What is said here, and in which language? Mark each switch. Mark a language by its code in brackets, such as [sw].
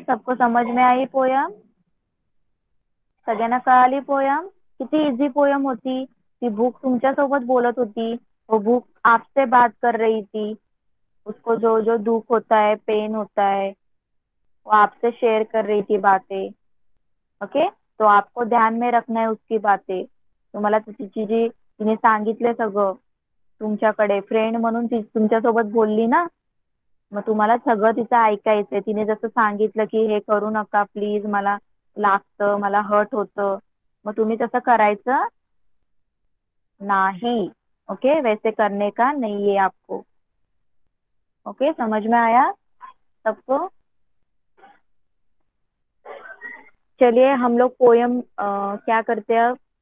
[hi] सबको समझ में आई पोयम? [mr] सगे ना कहली पोयम, [hi] कितनी इजी पोयम होती। [mr] कि बुक तुमच्या सोबत बोलत होती, [hi] वो बुक आपसे बात कर रही थी, उसको जो जो दुख होता है, पेन होता है, वो आपसे शेयर कर रही थी बातें। ओके, तो आपको ध्यान में रखना है उसकी बातें। [mr] तुम्हाला तिची चीजी तिने सांगितले सगळं तुमच्याकडे, फ्रेंड म्हणून ती तुमच्या सोबत बोलली ना, मग तुम्हाला सगळं तिचं ऐकायचंय। तिने जसं सांगितलं की हे करू नका प्लीज, मला लागतं, मला हर्ट होतं, मग तुम्ही तसं करायचं नाही। [hi] ओके, वैसे करने का नहीं है आपको। ओके, समझ में आया सबको? चलिए, हम लोग पोयम क्या करते हैं अब?